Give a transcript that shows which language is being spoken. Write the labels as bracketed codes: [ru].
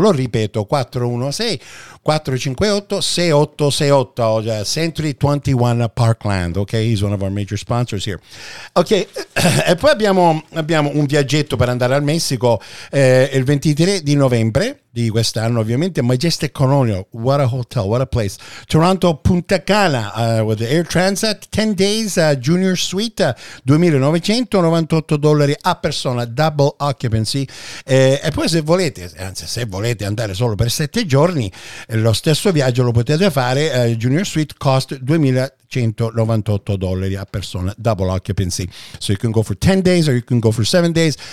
[it] Lo ripeto, 416-458-6868. Oggi [en] Century 21 Parkland, ok? He's one of our major sponsors here. [it] Ok, e poi abbiamo un viaggetto per andare al Messico il 23 di novembre di quest'anno, ovviamente. [en] Majestic Colonial, what a hotel, what a place. Toronto Punta Cana, with Air Transat, 10 days, Junior Suite, $2,998 [it] a persona, [en] double occupancy. [it] E poi se volete andare solo per 7 giorni, lo stesso viaggio lo potete fare, [en] Junior Suite cost [it] $2,198 a persona, [en] double occupancy. So you can go for 10 days or you can go for 7 days.